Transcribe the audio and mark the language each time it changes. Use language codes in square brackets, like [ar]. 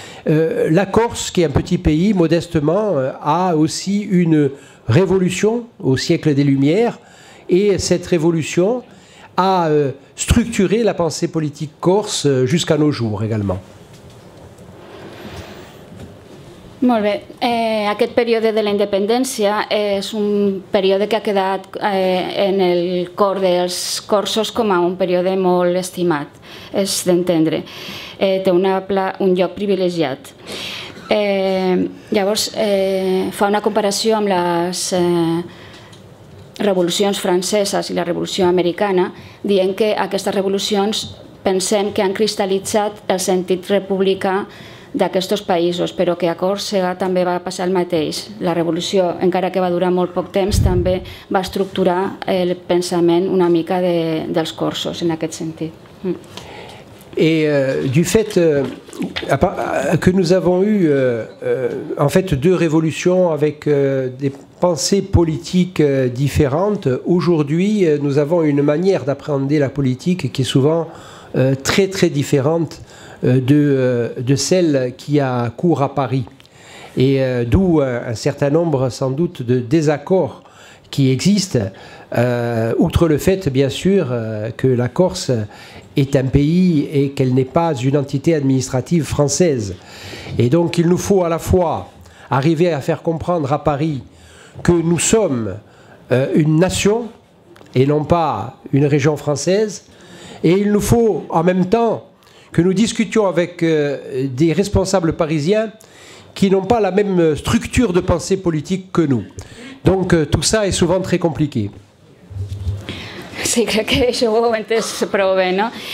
[fr] La Corse, qui est un petit pays, modestement, a aussi une révolution au siècle des Lumières, et cette révolution a structuré la pensée politique corse jusqu'à nos jours également. [ca] Molt bé. Aquest període de la independència és un període que ha quedat en el cor dels corsos com a un període molt estimat, és d'entendre. Té un lloc privilegiat. Llavors, fa una comparació amb les revolucions franceses i la revolució americana, dient que aquestes revolucions pensem que han cristal·litzat el sentit republicà d'aquests països, però que a Còrsega també va passar el mateix. La revolució, encara que va durar molt poc temps, també va estructurar el pensament una mica dels corsos en aquest sentit. [fr] Et du fait que nous avons eu en fait deux révolutions avec des pensées politiques différentes, aujourd'hui nous avons une manière d'appréhender la politique qui est souvent très très différente de celle qui a cours à Paris, et d'où un certain nombre sans doute de désaccords qui existent, outre le fait bien sûr que la Corse est un pays et qu'elle n'est pas une entité administrative française. Et donc il nous faut à la fois arriver à faire comprendre à Paris que nous sommes une nation et non pas une région française, et il nous faut en même temps que nous discutions avec des responsables parisiens qui n'ont pas la même structure de pensée politique que nous. Donc tout ça est souvent très compliqué. [ca] Sí, crec que això ho heu entès prou bé, no?